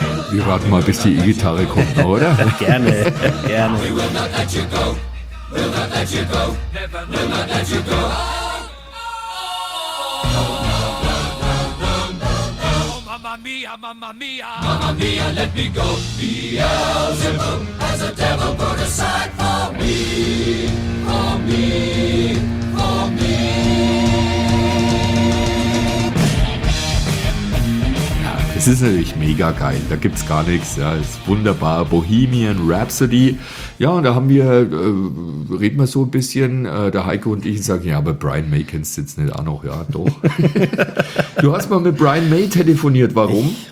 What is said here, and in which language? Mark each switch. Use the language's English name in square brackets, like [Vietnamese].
[German] Wir warten mal, bis die E-Gitarre kommt, oder? Gerne. [English] We'll not let you go. Never, never, never let you go. Oh, oh, oh. [Italian] mia, mamma mia. Mamma mia, [English] let me go. Beelzebub has a devil put aside for me, for me, for me. [German] Es ist natürlich mega geil, da gibt's gar nichts. Ja, ist wunderbar. Bohemian Rhapsody. Ja, und da haben wir, reden wir so ein bisschen, der Heiko und ich sagen, ja, aber Brian May kennst du jetzt nicht auch noch. Ja, doch. Du hast mal mit Brian May telefoniert, warum?